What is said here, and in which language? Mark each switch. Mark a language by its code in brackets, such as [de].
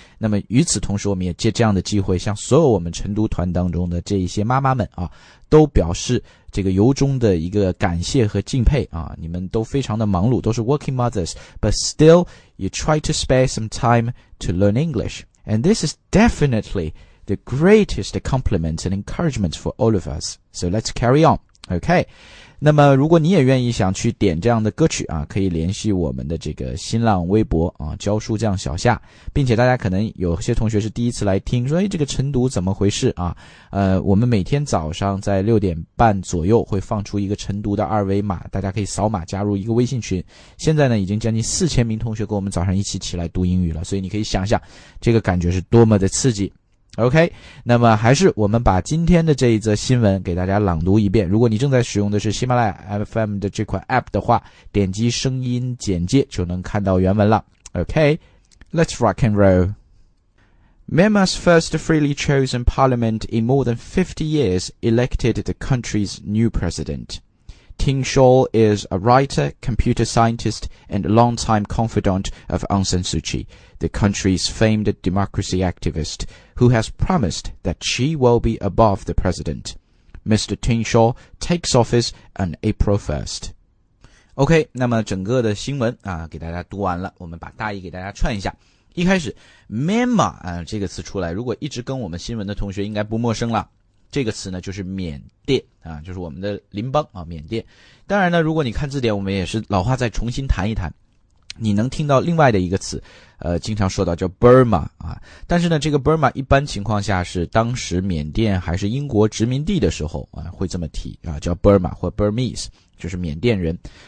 [zh] 那么与此同时，我们也借这样的机会向所有我们晨读团当中的这一些妈妈们啊，都表示这个由衷的一个感谢和敬佩啊，你们都非常的忙碌，都是 working mothers, but still you try to spare some time to learn English. [en] And this is definitely the greatest compliment and encouragement for all of us. So let's carry on, okay? [zh] 那么如果你也愿意想去点这样的歌曲啊，可以联系我们的这个新浪微博啊，教书匠小夏。并且大家可能有些同学是第一次来听，说诶、哎、这个晨读怎么回事啊，我们每天早上在六点半左右会放出一个晨读的二维码，大家可以扫码加入一个微信群。现在呢已经将近4000名同学跟我们早上一起起来读英语了，所以你可以想想这个感觉是多么的刺激。 OK, 那么还是我们把今天的这一则新闻给大家朗读一遍。如果你正在使用的是喜马拉雅 FM 的这款 APP 的话，点击声音简介就能看到原文了。 [en] OK, let's rock and roll. Myanmar's first freely chosen parliament in more than 50 years elected the country's new president. Thich Chol is a writer, computer scientist, and longtime confidant of Aung San Suu Kyi. The country's famed democracy activist, who has promised that she will be above the president. Mr. Thich Chol takes office on April 1st. [zh] OK, 那么整个的新闻啊，给大家读完了，我们把大意给大家串一下。一开始 Myanmar 啊这个词出来，如果一直跟我们新闻的同学应该不陌生了。这个词呢就是缅甸啊，就是我们的邻邦啊，缅甸。当然呢，如果你看字典，我们也是老话再重新谈一谈。你能听到另外的一个词，经常说到叫 Burma 啊，但是呢，这个 Burma 一般情况下是当时缅甸还是英国殖民地的时候啊，会这么提啊，叫 Burma 或 Burmese， 就是缅甸人。